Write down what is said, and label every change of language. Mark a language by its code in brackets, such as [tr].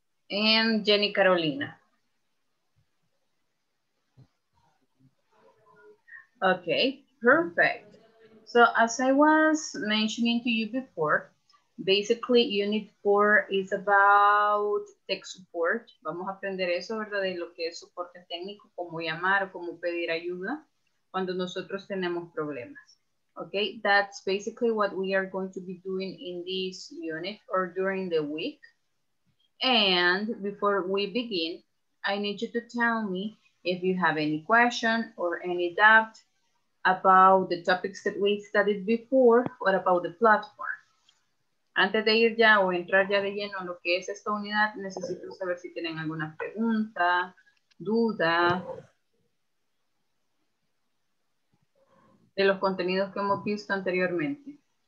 [en] And Jenny Carolina. Okay, perfect. So as I was mentioning to you before, basically, Unit 4 is about tech support. [es] Vamos a aprender eso, ¿verdad? De lo que es soporte técnico, cómo llamar, cómo pedir ayuda cuando nosotros tenemos problemas. [en] Okay, that's basically what we are going to be doing in this unit or during the week. And before we begin, I need you to tell me if you have any question or any doubt about the topics that we studied before or about the platform. [es] Antes de ir ya o entrar ya de lleno en lo que es esta unidad, necesito saber si tienen alguna pregunta, duda, de los contenidos que hemos visto anteriormente.